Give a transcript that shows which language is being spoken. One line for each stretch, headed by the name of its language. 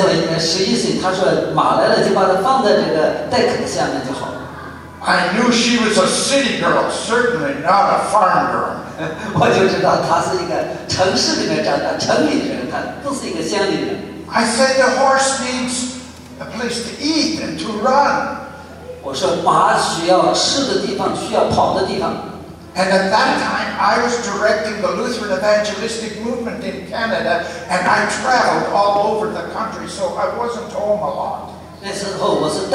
Chinese: 他就是，哦，那时候11岁，他说马来了就把它放在这个 deck 下面就好。
English: I knew she was a city girl, certainly not a farm girl.
Chinese: 我就知道她是一个城市里面长大，城里人，她不是一个乡里人。
English: I said the horse needs a place to eat and to run.
Chinese: 我说马需要吃的地方，需要跑的地方。
English: And at that time, I was directing the Lutheran evangelistic movement in Canada, and I traveled all over the country, so I wasn't home a lot.